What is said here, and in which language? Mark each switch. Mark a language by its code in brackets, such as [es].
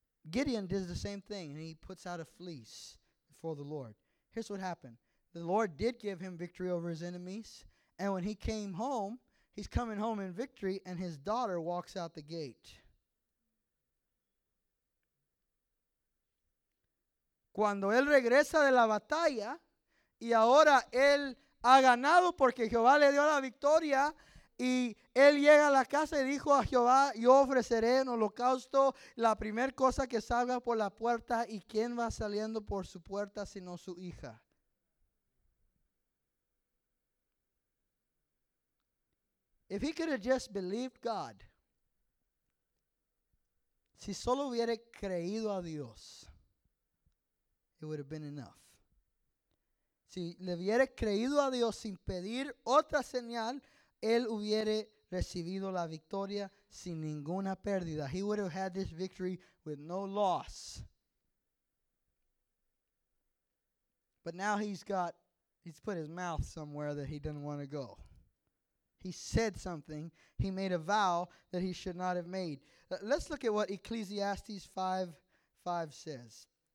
[en] Gideon does the same thing, and he puts out a fleece for the Lord. Here's what happened. The Lord did give him victory over his enemies. And when he came home, he's coming home in victory, and his daughter walks out the gate. [es] Cuando él regresa de la batalla, y ahora él ha ganado porque Jehová le dio la victoria, y él llega a la casa y dijo a Jehová, yo ofreceré en holocausto la primer cosa que salga por la puerta. ¿Y quién va saliendo por su puerta sino su hija? [en] If he could have just believed God. [es] Si solo hubiera creído a Dios. [en] It would have been enough. [es] Si le hubiera creído a Dios sin pedir otra señal. Él hubiera recibido la victoria sin ninguna pérdida. [en] He would have had this victory with no loss. But now he's put his mouth somewhere that he didn't want to go. He said something. He made a vow that he should not have made. Let's look at what Ecclesiastes 5:5 says.